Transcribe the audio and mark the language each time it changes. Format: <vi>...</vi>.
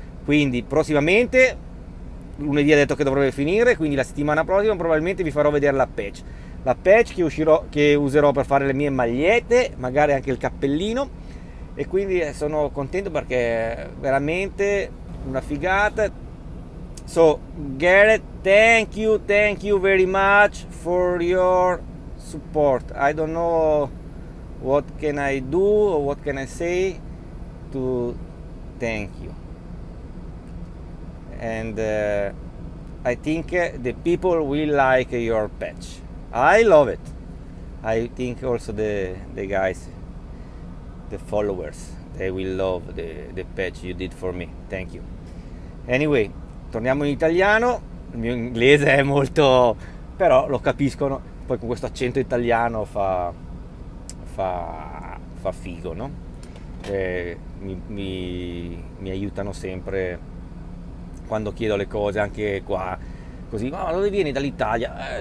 <it>Quindi prossimamente, lunedì ha detto che dovrebbe finire, quindi la settimana prossima probabilmente vi farò vedere la patch che uscirò, che userò per fare le mie magliette, magari anche il cappellino. E quindi sono contento perché è veramente una figata.</it> <en>So Garrett, thank you very much for your support. I don't know what can I do or what can I say to thank you. And I think the people will like your patch. I love it. I think also the guys, the followers, they will love the patch you did for me. Thank you. Anyway,</en> <it>torniamo in italiano. Il mio inglese è molto, però lo capiscono. Poi con questo accento italiano fa figo, no? E mi aiutano sempre quando chiedo le cose, anche qua. Così, ma dove vieni? Dall'Italia?</it>